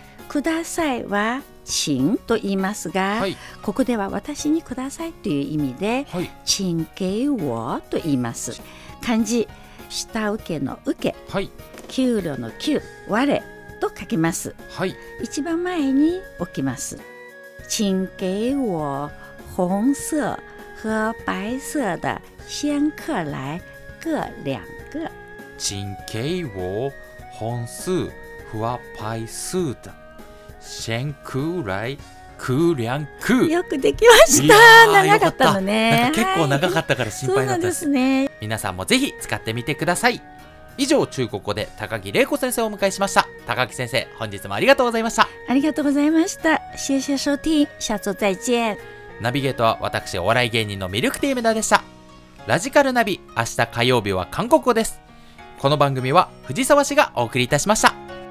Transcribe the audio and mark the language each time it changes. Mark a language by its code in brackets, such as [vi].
[ja] くださいは请と言いますが、はい、ここでは私にくださいという意味で、はい、 [zh] 请给我 [ja] と言います。漢字下請けの請け、はい、給料の給、我と書きます、はい、一番前に置きます。 [zh] 请给我红色和白色的仙客来各两个。请给我红色和白色的仙客来各两个。 [ja] よくできました。長かったのね。結構長かったから心配だったです、はそうですね。皆さんもぜひ使ってみてください。以上、中国語で高木玲子先生をお迎えしました。高木先生、本日もありがとうございました。ありがとうございました。 [zh] 谢谢收听，下周再见。 [ja] ナビゲートは私、お笑い芸人のミルクティー梅田でした。ラジカルナビ、明日火曜日は韓国語です。この番組は藤沢市がお送りいたしました。